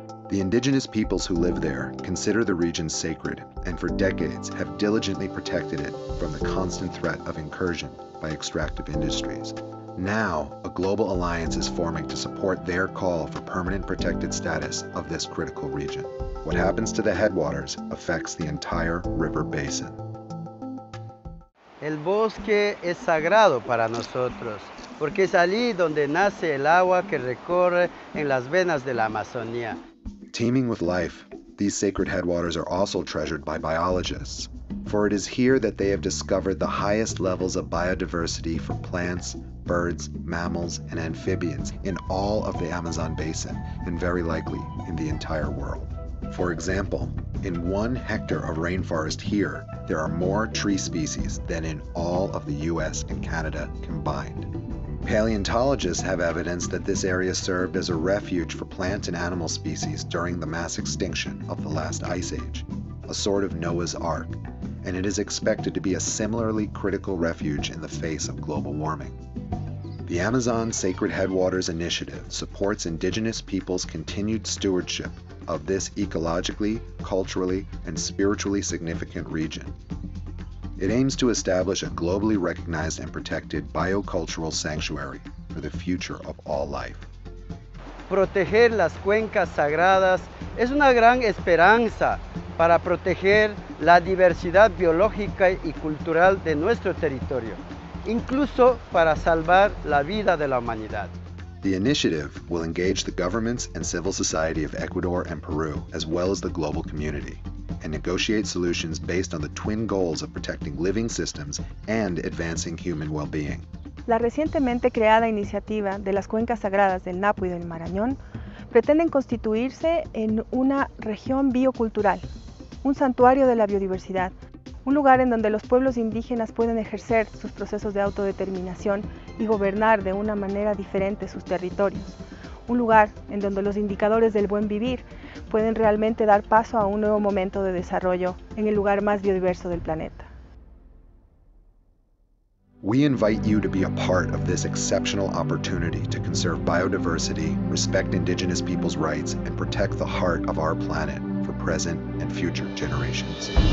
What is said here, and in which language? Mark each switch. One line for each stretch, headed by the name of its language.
English: The indigenous peoples who live there consider the region sacred and for decades have diligently protected it from the constant threat of incursion by extractive industries. Now, a global alliance is forming to support their call for permanent protected status of this critical region. What happens to the headwaters affects the entire river basin.
Spanish: El bosque es sagrado para nosotros, porque es allí donde nace el agua que recorre en las venas de la Amazonía.
English: Teeming with life, these sacred headwaters are also treasured by biologists, for it is here that they have discovered the highest levels of biodiversity for plants, birds, mammals, and amphibians in all of the Amazon basin, and very likely in the entire world. For example, in 1 hectare of rainforest here, there are more tree species than in all of the US and Canada combined. Paleontologists have evidence that this area served as a refuge for plant and animal species during the mass extinction of the last ice age, a sort of Noah's Ark, and it is expected to be a similarly critical refuge in the face of global warming. The Amazon Sacred Headwaters Initiative supports indigenous peoples' continued stewardship of this ecologically, culturally, and spiritually significant region. It aims to establish a globally recognized and protected biocultural sanctuary for the future of all life.
Spanish: Proteger las cuencas sagradas es una gran esperanza para proteger la diversidad biológica y cultural de nuestro territorio, incluso para salvar la vida de la humanidad.
English: The initiative will engage the governments and civil society of Ecuador and Peru, as well as the global community, and negotiate solutions based on the twin goals of protecting living systems and advancing human well-being.
Spanish: La recientemente creada iniciativa de las cuencas sagradas del Napo y del Marañón pretenden constituirse en una región biocultural, un santuario de la biodiversidad, un lugar en donde los pueblos indígenas pueden ejercer sus procesos de autodeterminación y gobernar de una manera diferente sus territorios. un lugar en donde los indicadores del buen vivir pueden realmente dar paso a un nuevo momento de desarrollo en el lugar más biodiverso del planeta.
English: We invite you to be a part of this exceptional opportunity to conserve biodiversity, respect indigenous people's rights, and protect the heart of our planet for present and future generations.